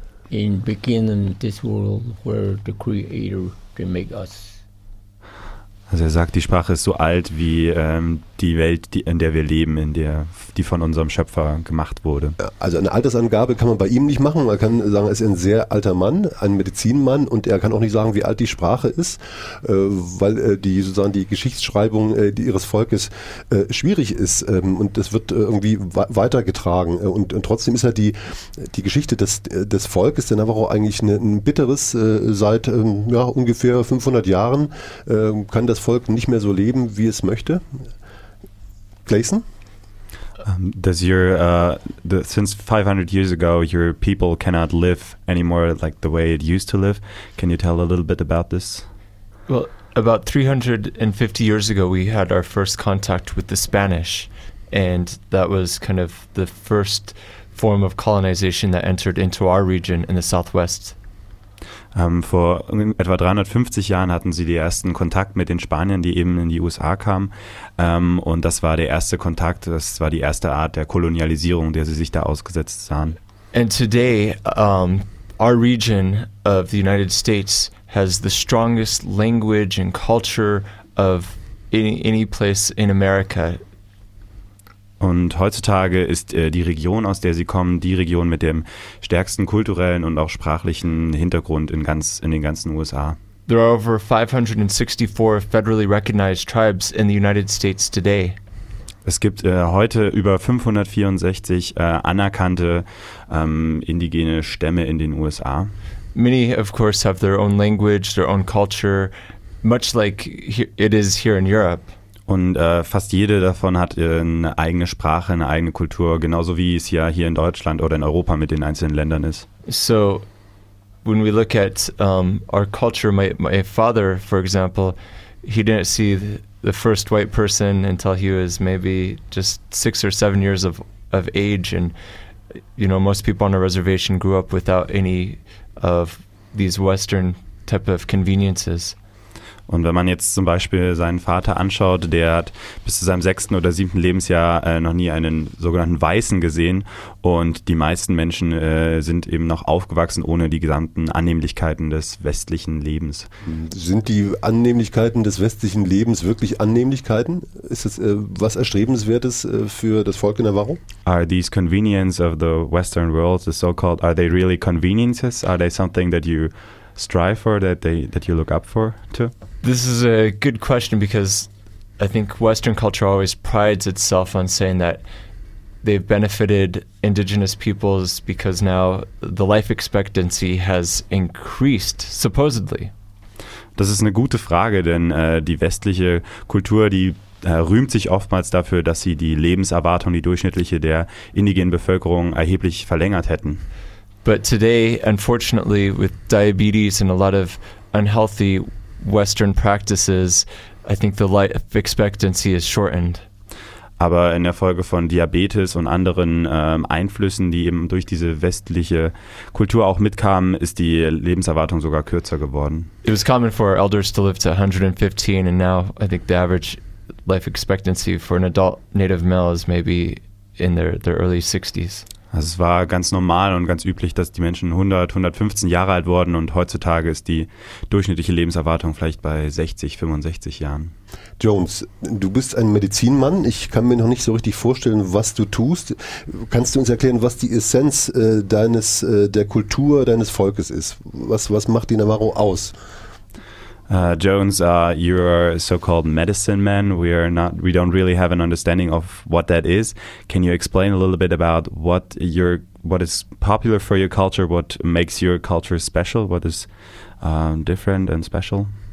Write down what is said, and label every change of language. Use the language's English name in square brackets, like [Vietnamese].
[English] In beginning this world where the creator can make us. [German] Also er sagt, die Sprache ist so alt wie die Welt, in der wir leben, die von unserem Schöpfer gemacht wurde. Also eine Altersangabe kann man bei ihm nicht machen. Man kann sagen, er ist ein sehr alter Mann, ein Medizinmann, und er kann auch nicht sagen, wie alt die Sprache ist, weil die Geschichtsschreibung ihres Volkes schwierig ist und das wird irgendwie weitergetragen. Und trotzdem ist ja die Geschichte des Volkes der Navajo eigentlich ein bitteres. Seit ungefähr 500 Jahren kann das Volk nicht mehr so leben, wie es möchte. Clayson? [English] Since 500 years ago, your people cannot live anymore like the way it used to live. Can you tell a little bit about this? Well, about 350 years ago, we had our first contact with the Spanish, and that was kind of the first form of colonization that entered into our region in the southwest. [German] Vor etwa 350 Jahren hatten sie den ersten Kontakt mit den Spaniern, die eben in die USA kamen. Und das war der erste Kontakt, das war die erste Art der Kolonialisierung, der sie sich da ausgesetzt sahen. [English] And today, our region of the United States has the strongest language and culture of any place in America. [German] Und heutzutage ist die Region, aus der sie kommen, die Region mit dem stärksten kulturellen und auch sprachlichen Hintergrund in den ganzen USA. [English] There are over 564 federally recognized tribes in the United States today. [German] Es gibt heute über 564 anerkannte indigene Stämme in den USA. [English] Many of course have their own language, their own culture, much like it is here in Europe. [German] Und fast jede davon hat eine eigene Sprache, eine eigene Kultur, genauso wie es ja hier in Deutschland oder in Europa mit den einzelnen Ländern ist. [English] So, when we look at our culture, my father, for example, he didn't see the first white person until he was maybe just 6 or 7 years of age. And, you know, most people on a reservation grew up without any of these Western type of conveniences. [German] Und wenn man jetzt zum Beispiel seinen Vater anschaut, der hat bis zu seinem 6. oder 7. Lebensjahr noch nie einen sogenannten Weißen gesehen, und die meisten Menschen sind eben noch aufgewachsen ohne die gesamten Annehmlichkeiten des westlichen Lebens. Sind die Annehmlichkeiten des westlichen Lebens wirklich Annehmlichkeiten? Ist das was Erstrebenswertes für das Volk in Navajo? [English] Are these conveniences of the Western world, the so-called, are they really conveniences? Are they something that you strive for, that you look up for too? This is a good question, because I think Western culture always prides itself on saying that they've benefited indigenous peoples, because now the life expectancy has increased, supposedly. [German] Das ist eine gute Frage, denn die westliche Kultur, die rühmt sich oftmals dafür, dass sie die Lebenserwartung, die durchschnittliche der indigenen Bevölkerung, erheblich verlängert hätten. [English] But today, unfortunately, with diabetes and a lot of unhealthy Western practices, I think the life expectancy is shortened. [German] Aber in der Folge von Diabetes und anderen Einflüssen, die eben durch diese westliche Kultur auch mitkamen, ist die Lebenserwartung sogar kürzer geworden. [English] It was common for elders to live to 115, and now I think the average life expectancy for an adult native male is maybe in their early 60s. [German] Also es war ganz normal und ganz üblich, dass die Menschen 100, 115 Jahre alt wurden, und heutzutage ist die durchschnittliche Lebenserwartung vielleicht bei 60, 65 Jahren. Jones, du bist ein Medizinmann. Ich kann mir noch nicht so richtig vorstellen, was du tust. Kannst du uns erklären, was die Essenz der Kultur deines Volkes ist? Was macht die Navajo aus? [English] Jones, you are a so-called medicine man. We don't really have an understanding of what that is. Can you explain a little bit about what is popular for your culture? What makes your culture special? What is different and special?